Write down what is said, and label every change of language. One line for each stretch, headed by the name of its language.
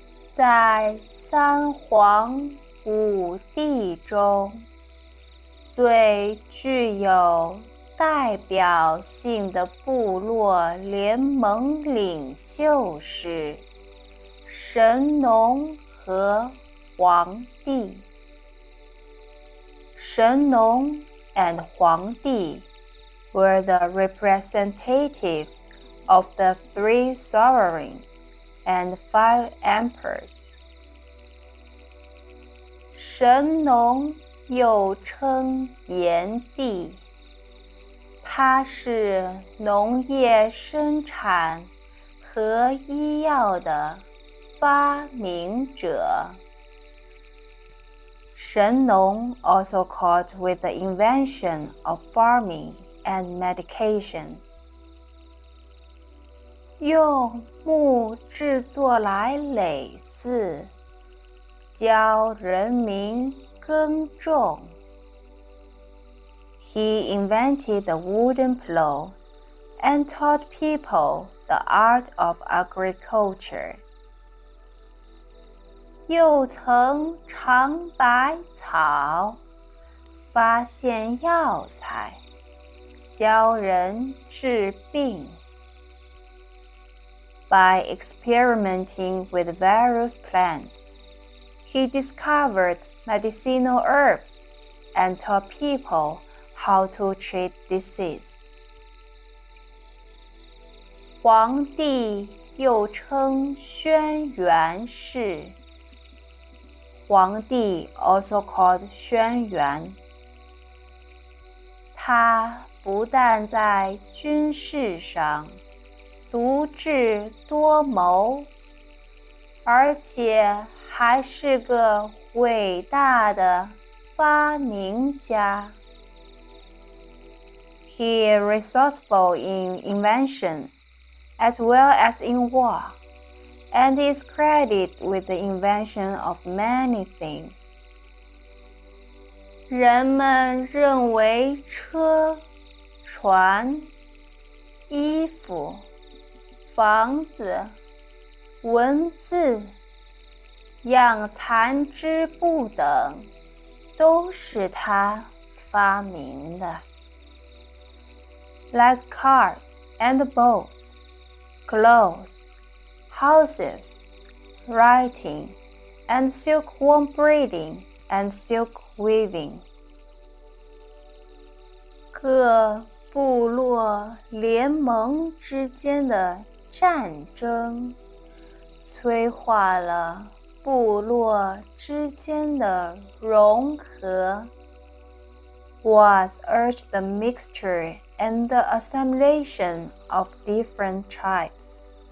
Chinese: 在三皇五帝中最具有代表性的部落联盟领袖是神农和皇帝。
English: 神农 and 皇帝 were the representatives of the three sovereign and five emperors.
Chinese: 神农又称炎帝，他是农业生产和医药的发明者。
English: 神农 also caught with the invention of farming and medication.
Chinese: 用木制作来耒耜，教人民耕种。
English: He invented the wooden plow and taught people the art of agriculture.
Chinese: 又曾尝百草，发现药材，教人治病。
English: By experimenting with various plants, he discovered medicinal herbs and taught people how to treat disease.
Chinese: 皇帝又称轩辕氏。
English: 皇帝 also called 轩辕。
Chinese: 他不但在军事上足智多谋，而且还是个伟大的发明家。
English: He is resourceful in invention as well as in war, and is credited with the invention of many things.
Chinese: 人们认为车、船、衣服、房子、文字、养蚕织布等都是他发明的。
English: Like carts and boats, clothes, houses, writing, and silkworm breeding and silk weaving.
Chinese: 各部落联盟之间的战争催化了部落之间的融合。
English: Was urged the mixture and the assimilation of different tribes.